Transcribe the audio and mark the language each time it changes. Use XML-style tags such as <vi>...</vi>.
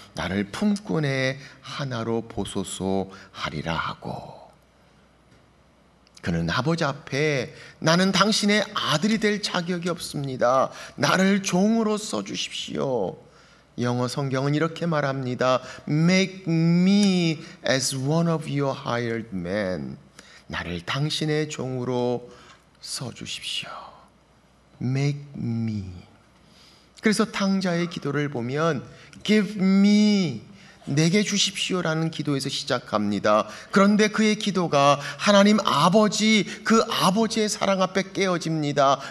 <ko>나를 품꾼의 하나로 보소서 하리라 하고. 그는 아버지 앞에 나는 당신의 아들이 될 자격이 없습니다. 나를 종으로 써주십시오. 영어 성경은 이렇게 말합니다.</ko> <en>Make me as one of your hired men.</en> <ko>나를 당신의 종으로 써주십시오.</ko> <en>Make me.</en> <ko>그래서 탕자의 기도를 보면</ko> <en>Give me.</en> <ko>내게 주십시오라는 기도에서 시작합니다. 그런데 그의 기도가 하나님 아버지, 그 아버지의 사랑 앞에 깨어집니다.</ko>